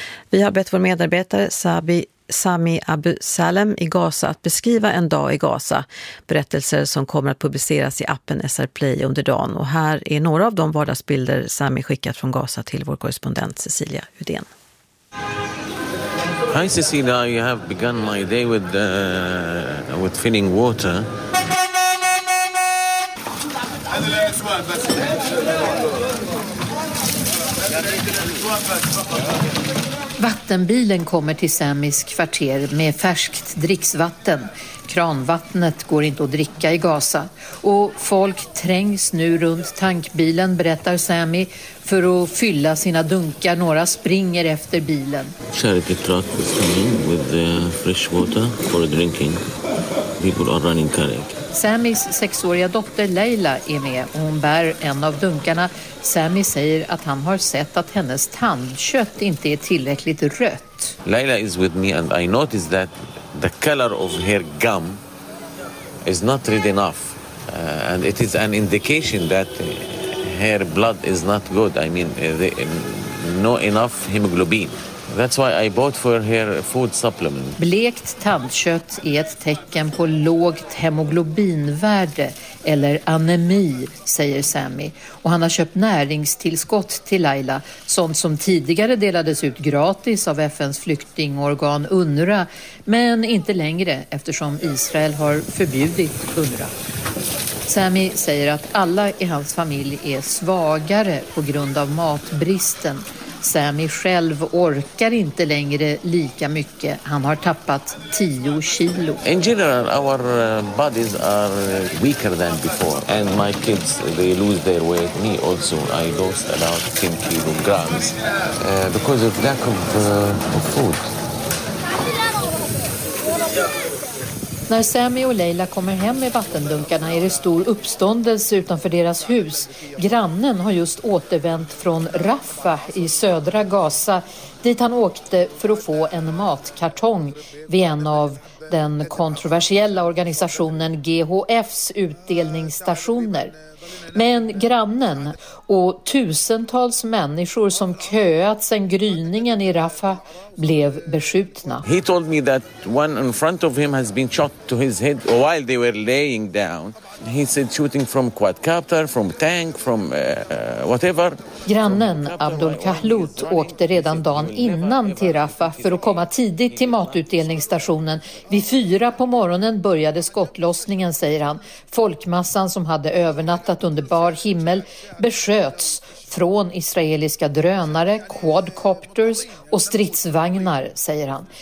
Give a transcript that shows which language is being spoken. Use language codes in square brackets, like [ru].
[sv] Vi har bett vår medarbetare Sami Abu Salem i Gaza att beskriva en dag i Gaza. Berättelser som kommer att publiceras i appen SR Play under dagen. Och här är några av de vardagsbilder Sami skickat från Gaza till vår korrespondent Cecilia Udén. [en] Hi Cecilia, I have begun my day with filling water. [sv] Vattenbilen kommer till Samis kvarter med färskt dricksvatten. Kranvattnet går inte att dricka i Gaza. Och folk trängs nu runt tankbilen, berättar Sami, för att fylla sina dunkar. Några springer efter bilen. [en] Charity truck is coming with fresh water for drinking. People are running carrying. [sv] Samis sexåriga dotter Leila är med och hon bär en av dunkarna. Sami säger att han har sett att hennes tandkött inte är tillräckligt rött. [en] Leila is with me and I noticed that the color of her gum is not red enough. And it is an indication that her blood is not good. I mean, no enough hemoglobin. That's why I bought for her food supplement. [sv] Blekt tandkött är ett tecken på lågt hemoglobinvärde eller anemi, säger Sami. Och han har köpt näringstillskott till Laila, sånt som tidigare delades ut gratis av FNs flyktingorgan UNRWA, men inte längre eftersom Israel har förbjudit UNRWA. Sami säger att alla i hans familj är svagare på grund av matbristen. Sami själv orkar inte längre lika mycket. Han har tappat 10 kilo. [en] In general, our bodies are weaker than before. And my kids, they lose their weight. Me also, I lost about 10 kilograms because of lack of food. [sv] När Sami och Leila kommer hem med vattendunkarna är det stor uppståndelse utanför deras hus. Grannen har just återvänt från Rafah i södra Gaza dit han åkte för att få en matkartong vid en av den kontroversiella organisationen GHF:s utdelningsstationer. Men grannen och tusentals människor som köat sen gryningen i Rafah blev beskjutna. [en] He told me that one in front of him has been shot to his head while they were laying down. He said shooting from quadcopter, from tank, from whatever. [sv] Grannen Abdul Kahlout åkte redan dagen innan till Rafah för att komma tidigt till matutdelningsstationen. Vid 4 på morgonen började skottlossningen, säger han. Folkmassan som hade övernattat under bar himmel besköts från israeliska drönare, quadcopters och stridsvagnar, säger han.